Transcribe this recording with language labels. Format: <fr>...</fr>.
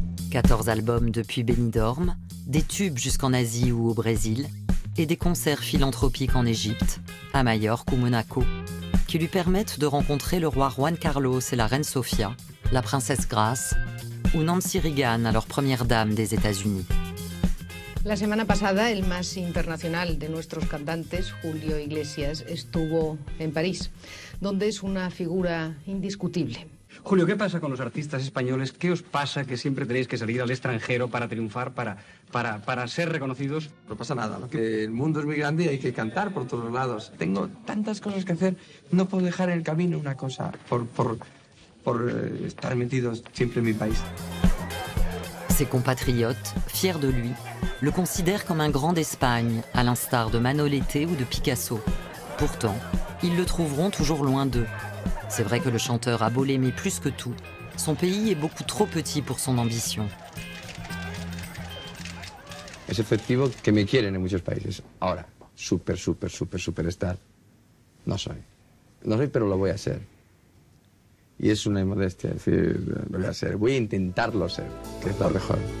<fr>14 albums depuis Benidorm, des tubes jusqu'en Asie ou au Brésil, et des concerts philanthropiques en Égypte, à Majorque ou Monaco, qui lui permettent de rencontrer le roi Juan Carlos et la reine Sofia, la princesse Grace ou Nancy Reagan, alors première dame des États-Unis.</fr> <es>La semana pasada, el más internacional de nuestros cantantes, Julio Iglesias, estuvo en París, donde es una figura indiscutible. Julio, ¿qué pasa con los artistas españoles? ¿Qué os pasa que siempre tenéis que salir al extranjero para triunfar, para ser reconocidos? No pasa nada, ¿no? Que el mundo es muy grande y hay que cantar por todos lados. Tengo tantas cosas que hacer, no puedo dejar en el camino una cosa por estar metido siempre en mi país.</es> <fr>Ses compatriotes, fiers de lui, le considèrent comme un grand d'Espagne, à l'instar de Manolete ou de Picasso. Pourtant, ils le trouveront toujours loin d'eux. C'est vrai que le chanteur a beau l'aimer plus que tout, son pays est beaucoup trop petit pour son ambition.</fr> <es>Es efectivo que me quieren en muchos países. Ahora, super, super, super, superstar, no soy. No soy, pero lo voy a ser. Y es una modestia, es decir, lo voy a ser. Voy a intentarlo ser, que es lo mejor.</es>